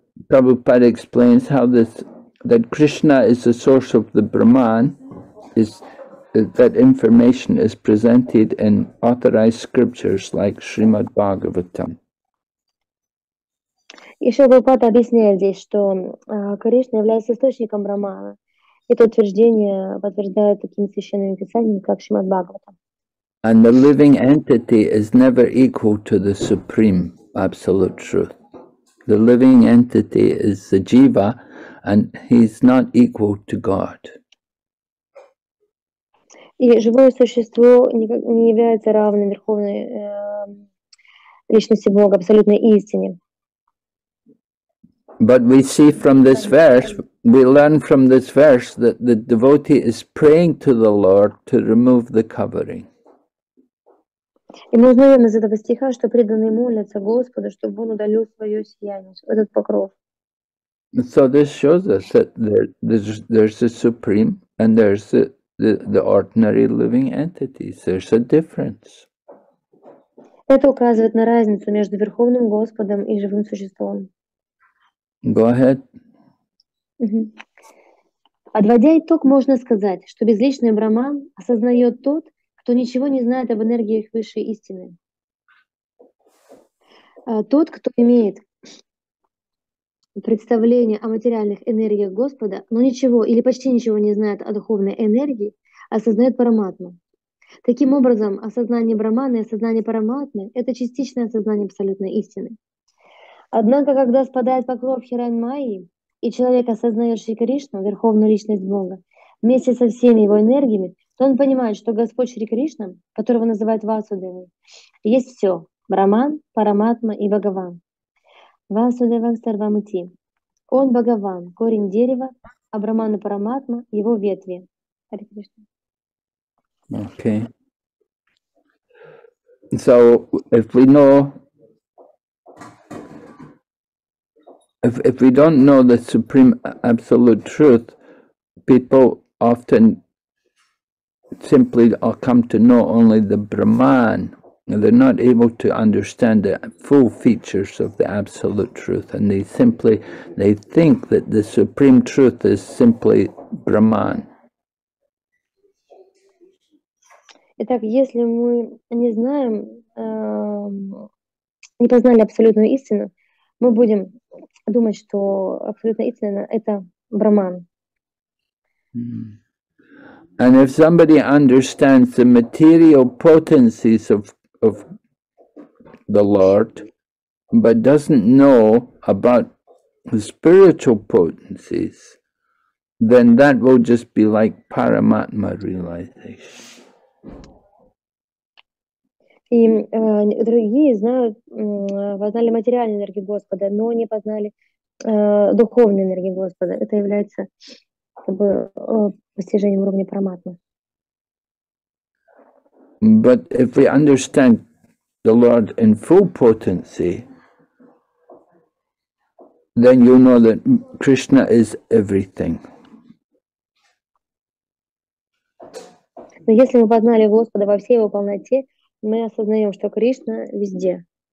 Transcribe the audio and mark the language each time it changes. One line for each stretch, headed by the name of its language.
English: Prabhupada explains how this, that Krishna is the source of the Brahman, is that information is presented in authorized scriptures like Srimad Bhagavatam.
Russian: И Шрилупада объясняет здесь, что Кришна является источником Брахмана. Это утверждение подтверждает такими священными писаниями, как Шримад Бхагаватам.
English: And the living entity is never equal to the supreme absolute truth. The living entity is the jiva, and he's not equal to God.
Russian: И живое существо не является равным верховной личности Бога, абсолютной истине.
English: But we see from this verse, we learn from this verse that the devotee is praying to the Lord to remove the covering.
Russian: И мы узнаем из этого стиха, что преданные молятся Господу, чтобы Он удалил свое сияние, этот покров.
English: So this shows us that there's the supreme and there's the ordinary living entities. There's a difference.
Russian: Это указывает на разницу между верховным Господом и живым существом.
English: Go ahead.
Russian: Подводя итог, можно сказать, что безличный Брахман осознает тот, кто ничего не знает об энергиях высшей истины. Тот, кто имеет представление о материальных энергиях Господа, но ничего или почти ничего не знает о духовной энергии, осознает Параматму. Таким образом, осознание Брахмана и осознание Параматмы – это частичное осознание абсолютной истины. Однако, когда спадает покров Хирань Майи, и человек осознает Шри Кришну, верховную личность Бога, вместе со всеми его энергиями, то он понимает, что Господь Шри Кришна, которого называют Васудевой, есть все – Брахман, Параматма и Бхагаван. Васудевам Сарвамути. Он – Бхагаван, корень дерева, а Брахман и Параматма – его ветви. Хари Кришна.
English: Okay. So, if we know, if we don't know the supreme absolute truth, people often simply come to know only the Brahman. They're not able to understand the full features of the absolute truth, and they think that the supreme truth is simply Brahman.
Russian: Итак, если мы не знаем, не познали абсолютную истину, мы будем думать, что абсолютная истина – это Брахман.
English: And if somebody understands the material potencies of the Lord, but doesn't know about the spiritual potencies, then that will just be like Paramatma realization.
Russian: И другие знают, познали материальную энергию Господа, но не познали духовную энергию Господа. Это является как бы постижением уровня параматмы.
English: But if we understand the Lord in full potency, then you know that Krishna is everything.
Russian: Но если мы познали Господа во всей его полноте, мы осознаем, что Кришна везде.